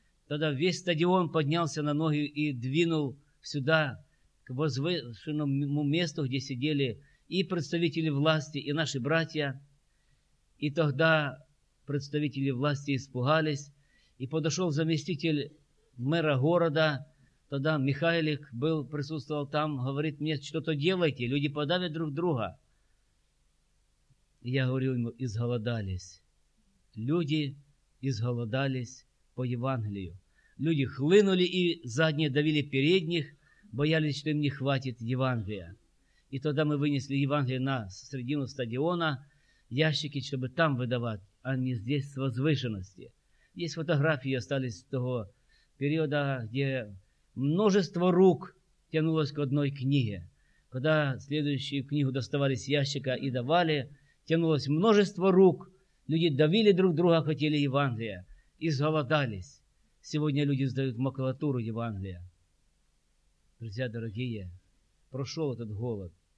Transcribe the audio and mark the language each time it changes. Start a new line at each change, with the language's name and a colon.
Russian: Тогда весь стадион поднялся на ноги и двинул сюда, к возвышенному месту, где сидели и представители власти, и наши братья. И тогда представители власти испугались. И подошел заместитель мэра города, тогда Михайлик был, присутствовал там, говорит мне, что-то делайте, люди подавят друг друга.
Ukrainian: я говорю йому, ізголодались. Люди ізголодались по Євангелію. Люди хлинули і задні давили передніх, боялись, що їм не хватить Євангелія. І тоді ми винесли Євангелія на середину стадіона, ящики, щоб там видавати,
Russian: а не здесь
Ukrainian: з возвишеності. Є фотографії, остались з того періоду, де
Russian: множество рук тянулось к одной книге. Когда следующую книгу доставали с ящика и давали, тянулось множество рук. Люди давили друг друга, хотели Евангелия. И сголодались. Сегодня люди сдают макулатуру Евангелия. Друзья дорогие, прошел этот голод.